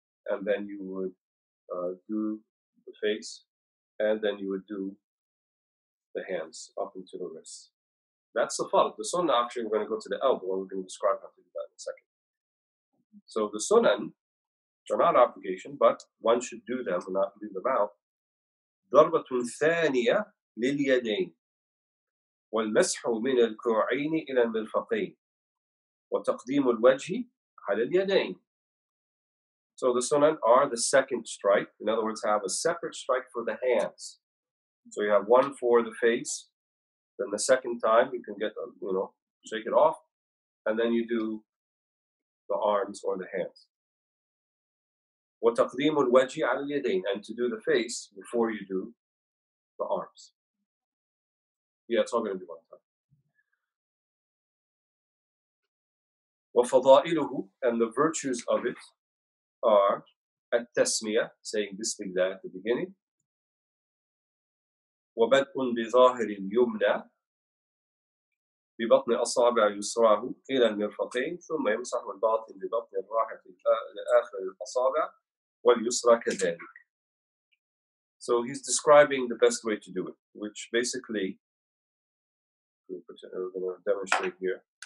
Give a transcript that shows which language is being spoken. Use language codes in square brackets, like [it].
[en] And then you would do the face, and then you would do the hands up into the wrists. That's the fard. The sunnah, actually, we're going to go to the elbow, and we're going to describe how to do that in a second. So the sunan are not obligation, but one should do them and not leave them out. [ar] ضربة ثانية لليدين والمسح من الكوعين إلى المرفقين وتقديم الوجه على اليدين. [en] So the sunan are the second strike. In other words, have a separate strike for the hands. So you have one for the face. Then the second time you can get, you know, shake it off. And then you do the arms or the hands. [ar] وَتَقْدِيمُ الْوَجْهِ عَلَى الْيَدَيْنِ [en] And to do the face before you do the arms. Yeah, it's all going to be one time. [ar] وَفَضَائِلُهُ [en] And the virtues of it are التسمية, saying Bismillah at the beginning. [ar] وَبَدْءٌ بِظَاهِرِ الْيُمْنَى بِبَطْنِ أَصَابِعَ يُسْرَاهُ إِلَى الْمِرْفَقَيْنِ ثُمَّ يَمْسَحُ الْبَاطِنِ بِبَطْنِ الرَّاحِلِ لِآخِرِ الْأَصَابِعِ وَالْيُسْرَى كَذَلِكَ [en] So he's describing the best way to do it, which basically, we're going to demonstrate here.